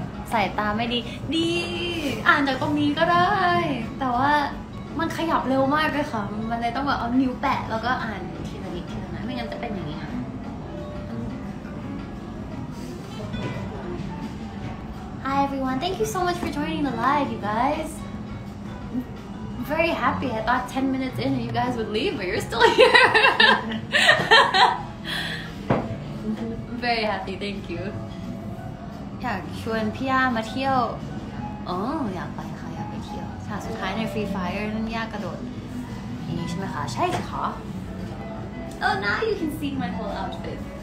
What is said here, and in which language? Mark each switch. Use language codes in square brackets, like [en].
[th] ใส่ตาไม่ดีดีอ่านจากตรงนี้ก็ได้แต่ว่ามันขยับเร็วมากเลยค่ะมันเลยต้องแบบเอานิ้วแปะแล้วก็อ่านทีละนิดทีละนิดไม่งั้นจะเป็นอย่างนี้ค่ะ [en] Hi everyone, thank you so much for joining the live, you guys. I'm very happy. I thought 10 minutes in and you guys would leave, but you're still here. I'm very happy, thank you. [th] อยากชวนพี่อามาเที่ยวอ๋ออยากไปค่ะอยากไปเที่ยวฉากสุดท้ายใน Free Fire นั่นยากกระโดดนี่ใช่ไหมคะใช่ค่ะ [en] Oh, now you can see my whole outfit.